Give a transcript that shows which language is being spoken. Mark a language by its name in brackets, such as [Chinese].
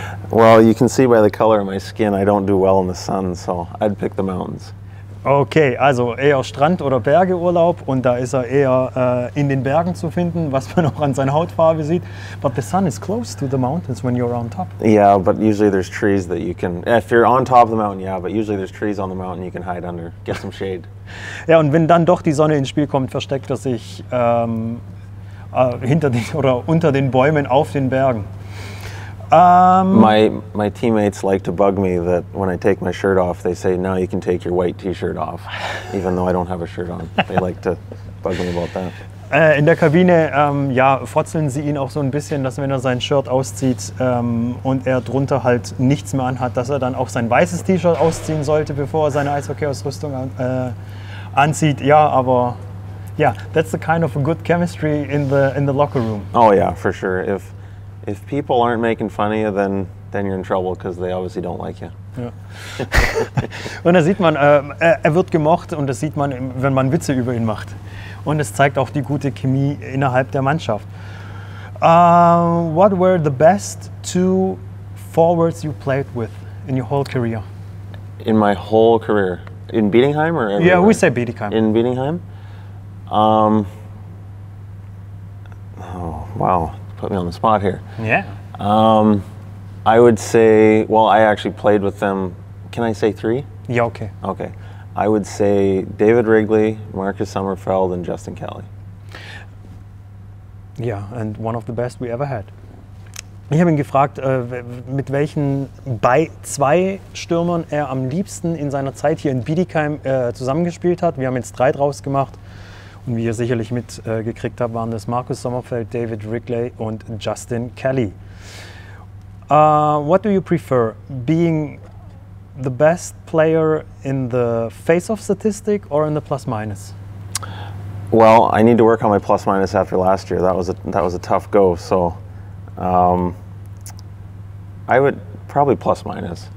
[English] Well, you can see by the color of my skin, I don't do well in the sun, so I'd pick the mountains. [German] Okay, also eher Strand- oder Bergeurlaub, und da ist er eher in den Bergen zu finden, was man auch an seiner Hautfarbe sieht. [English] But the sun is close to the mountains when you're on top. Yeah, but usually there's trees that you can, if you're on top of the mountain, yeah, but usually there's trees on the mountain you can hide under, get some shade. [German] Ja, und wenn dann doch die Sonne ins Spiel kommt, versteckt er sich hinter den oder unter den Bäumen auf den Bergen. [English] My teammates like to bug me that when I take my shirt off, they say, now you can take your white T-shirt off, even though I don't have a shirt on. They like to bug me about that. [German] In der Kabine, ja, frotzeln sie ihn auch so ein bisschen, dass wenn er sein Shirt auszieht und er drunter halt nichts mehr anhat, dass er dann auch sein weißes T-Shirt ausziehen sollte, bevor er seine Eishockey-Ausrüstung anzieht. Ja, aber ja, [English] yeah, that's the kind of a good chemistry in the locker room. Oh yeah, for sure. If people aren't making fun of you, then you're in trouble, because they obviously don't like you. [German] Ja. Und da sieht man, er wird gemocht, und das sieht man, wenn man Witze über ihn macht. Und es zeigt auch die gute Chemie innerhalb der Mannschaft. [English] What were the best two forwards you played with in your whole career? In my whole career? In Bietigheim or everywhere? Yeah, we say Bietigheim. In Bietigheim? Wow, put me on the spot here. Yeah. I would say, well, I actually played with them, can I say three? Yeah, okay. Okay. I would say David Wrigley, Marcus Sommerfeld, and Justin Kelly. Yeah, and one of the best we ever had. [German] Ich habe ihn gefragt, mit welchen zwei Stürmern er am liebsten in seiner Zeit hier in Bietigheim zusammengespielt hat. Wir haben jetzt drei draus gemacht. Und wie ihr sicherlich mitgekriegt habt, waren das Marcus Sommerfeld, David Wrigley und Justin Kelly. [English] What do you prefer? Being the best player in the face-off statistic or in the plus-minus? Well, I need to work on my plus-minus after last year. That was a tough go. So, I would probably plus-minus.